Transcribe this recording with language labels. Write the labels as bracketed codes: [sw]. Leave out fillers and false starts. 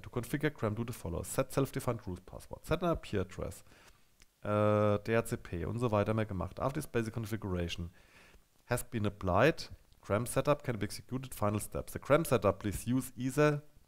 [en] To configure Gram, do the following. Set self-defined root password. Set an IP address. [de] DHCP und so weiter haben wir gemacht. [en] After this basic configuration has been applied, Gram Setup can be executed. Final steps. The Gram Setup, please use either.